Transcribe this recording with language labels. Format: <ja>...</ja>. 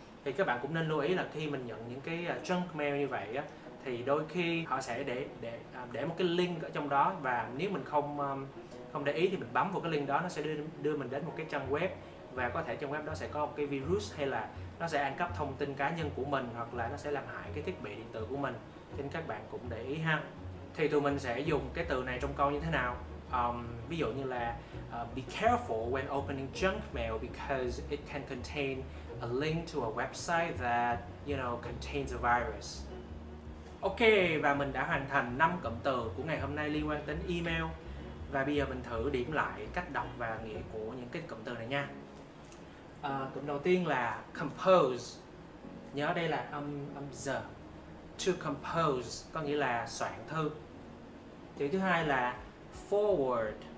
<vi>Thì các bạn cũng nên lưu ý là khi mình nhận những cái junk mail như vậy á, thì đôi khi họ sẽ để một cái link ở trong đó, và nếu mình không để ý thì mình bấm vào cái link đó, nó sẽ đưa mình đến một cái trang web, và có thể trang web đó sẽ có một cái virus hay là nó sẽ ăn cắp thông tin cá nhân của mình, hoặc là nó sẽ làm hại cái thiết bị điện tử của mình, nên các bạn cũng để ý ha. Thì tụi mình sẽ dùng cái từ này trong câu như thế nào? Ví dụ như là</vi> <en>be careful when opening junk mail because it can contain a link to a website that, you know, contains a virus.</en> <vi>Ok, và mình đã hoàn thành 5 cụm từ của ngày hôm nay liên quan đến email. Và bây giờ mình thử điểm lại cách đọc và nghĩa của những cái cụm từ này nha. Cụm đầu tiên là compose. Nhớ đây là âm z. To compose có nghĩa là soạn thư. Chữ thứ hai là forward.</vi>